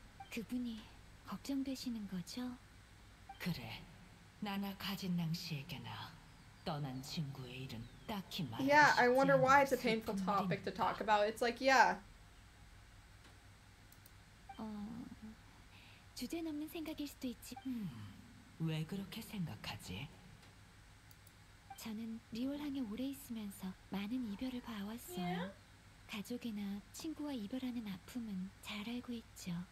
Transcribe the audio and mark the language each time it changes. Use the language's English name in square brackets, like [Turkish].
[Korean] 그분이 걱정되시는 거죠? 그래, 나나 가진 낭시에게나 떠난 친구의 일은 딱히 말할 수 [English] Yeah, I wonder why it's a painful topic to talk about. It's like, yeah. [Korean] 주제넘는 생각일 수도 있지. 왜 그렇게 생각하지? 저는 리올항에 오래 있으면서 많은 이별을 봐왔어요. [English] Yeah. [Korean] 가족이나 친구와 이별하는 아픔은 잘 알고 있죠.